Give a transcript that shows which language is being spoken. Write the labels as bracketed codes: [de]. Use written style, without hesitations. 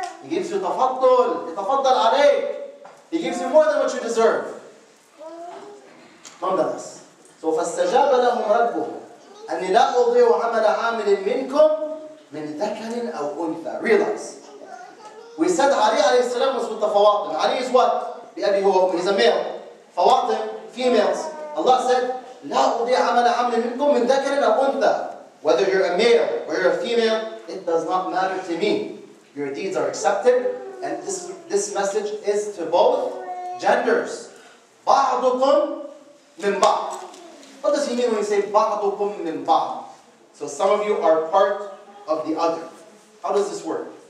[en] He gives you tafaddul, tafaddal alayk. He gives you more than what you deserve. Nonetheless. So [ar] فَاسْتَجَابَ لَهُمْ رَبُّهُمْ أَنِّي لَا أُضِيعُ عَمَلَ عَامِلٍ مِّنْكُمْ مِنْ ذَكَرٍ أَوْ أُنْثَى. [en] Realize. We said Ali alayhi salam was with the fawatim. Ali is what? He's a male. Fawatim, females. Allah said, [ar] لَا أُضِيعُ عَمَلَ عَامِلٍ مِّنْكُمْ مِنْ ذَكَرٍ أَوْ أُنْثَى. [en] Whether you're a male or you're a female, it does not matter to me. Your deeds are accepted, and this message is to both genders. [ar] بَعْضُكُمْ مِنْ بَعْضٍ. [en] What does he mean when he says [ar] بَعْضُكُمْ مِنْ بَعْضٍ? [en] So some of you are part of the other. How does this work?